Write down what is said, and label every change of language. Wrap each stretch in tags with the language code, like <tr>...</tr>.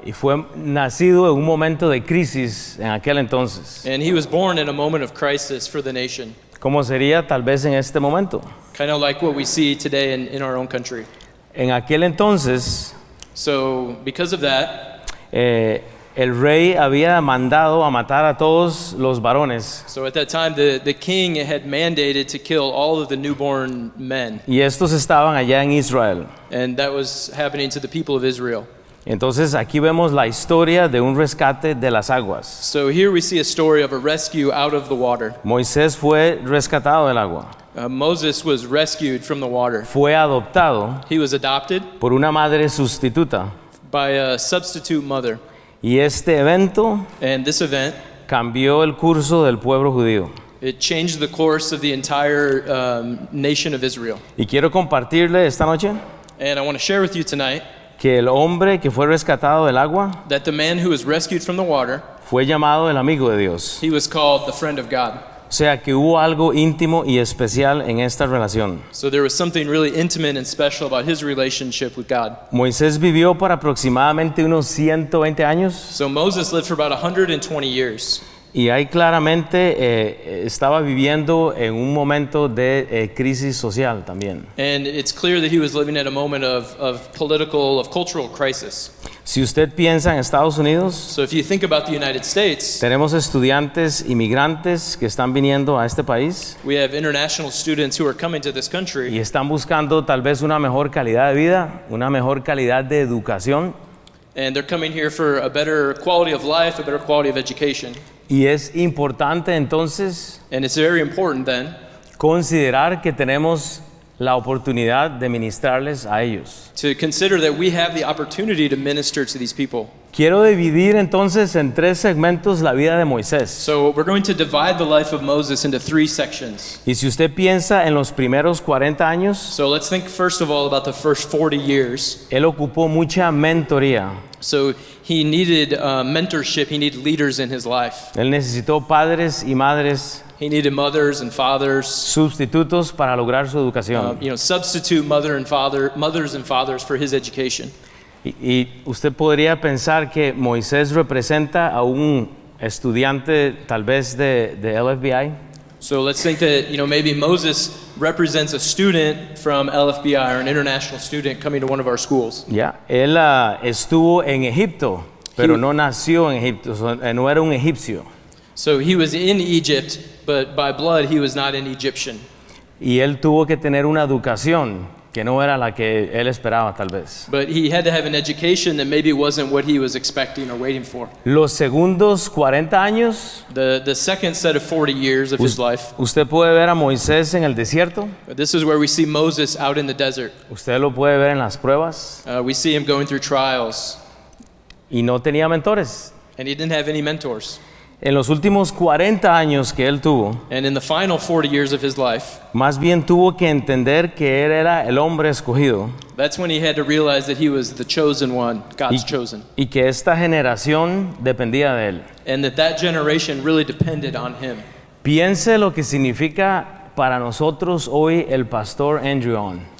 <es>Y fue nacido en un momento de crisis en aquel entonces.</es> <en>And he was born in a moment of crisis for the nation.</en> <es>¿Cómo sería tal vez en este momento?</es> <en>Kind of like what we see today in our own country.</en> <es>En aquel entonces.</es> <en>So because of that.</en> <es>El rey había mandado a matar a todos los varones.</es> <en>So at that time the king had mandated to kill all of the newborn men.</en> <es>Y estos estaban allá en Israel.</es> <en>And that was happening to the people of Israel.</en> <es>Entonces aquí vemos la historia de un rescate de las aguas.</es> <en>So here we see a story of a rescue out of the water.</en> <es>Moisés fue rescatado del agua.</es> <en>Moses was rescued from the water.</en> <es>Fue adoptado.</es> <en>He was adopted.</en> <es>Por una madre sustituta.</es> <en>By a substitute mother.</en> <es>Y este evento,</es> <en>and this event,</en> <es>cambió el curso del pueblo judío.</es> <en>It changed the course of the entire nation of Israel.</en> <es>Y quiero compartirle esta noche,</es> <en>and I want to share with you tonight,</en> <es>que el hombre que fue rescatado del agua,</es> <en>that the man who was rescued from the water,</en> <es>fue llamado el amigo de Dios.</es> <en>He was called the friend of God.</en> <es>O sea, que hubo algo íntimo y especial en esta relación.</es> <en>So there was something really intimate and special about his relationship with God.</en> <es>Moisés vivió por aproximadamente unos 120 años.</es> <en>So Moses lived for about 120 years.</en> <es>Y ahí claramente estaba viviendo en un momento de crisis social también.</es> <en>And it's clear that he was living at a moment of political, of cultural crisis.</en> <es>Si usted piensa en Estados Unidos.</es> <en>So if you think about the United States.</en> <es>Tenemos estudiantes inmigrantes que están viniendo a este país.</es> <en>We have international students who are coming to this country.</en> <es>Y están buscando tal vez una mejor calidad de vida, una mejor calidad de educación.</es> <en>And they're coming here for a better quality of life, a better quality of education.</en> <es>Y es importante entonces,</es> <en>and it's very important then,</en> <es>considerar que tenemos la oportunidad de ministrarles a ellos.</es> <en>To consider that we have the opportunity to minister to these people.</en> <es>Quiero dividir entonces en tres segmentos la vida de Moisés.</es> <en>So we're going to divide the life of Moses into three sections.</en> <es>Y si usted piensa en los primeros 40 años,</es> <en>so let's think first of all about the first 40 years.</en> <es>Él ocupó mucha mentoría.</es> <en>So he needed mentorship, he needed leaders in his life.</en> <es>Él necesitó padres y madres.</es> <en>He needed mothers and fathers.</en> <es>Sustitutos para lograr su educación.</es> <en>Substitute mother and father, mothers and fathers for his education.</en> <es>Y usted podría pensar que Moisés representa a un estudiante tal vez de LFBI.</es> <en>So let's think that, maybe Moses represents a student from LFBI or an international student coming to one of our schools.</en> <es>Yeah, él estuvo en Egipto, pero no nació en Egipto, no era un egipcio.</es> <en>So he was in Egypt, but by blood he was not an Egyptian.</en> <es>Y él tuvo que tener una educación que no era la que él esperaba, tal vez.</es> <en>But he had to have an education that maybe wasn't what he was expecting or waiting for.</en> <es>Los segundos 40 años,</es> <en>the second set of 40 years of his life.</en> <es>Usted puede ver a Moisés en el desierto.</es> <en>This is where we see Moses out in the desert.</en> <es>Usted lo puede ver en las pruebas.</es> <en>We see him going through trials.</en> <es>Y no tenía mentores.</es> <en>And he didn't have any mentors.</en> <es>En los últimos 40 años que él tuvo,</es> <en>and in the final 40 years of his life,</en> <es>más bien tuvo que entender que él era el hombre escogido.</es> <en>That's when he had to realize that he was the chosen one, God's chosen.</en> <es>Y que esta generación dependía de él.</es> <en>And that generation really depended on him.</en> <es>Piense lo que significa para nosotros hoy el pastor Andrew Ong.</es>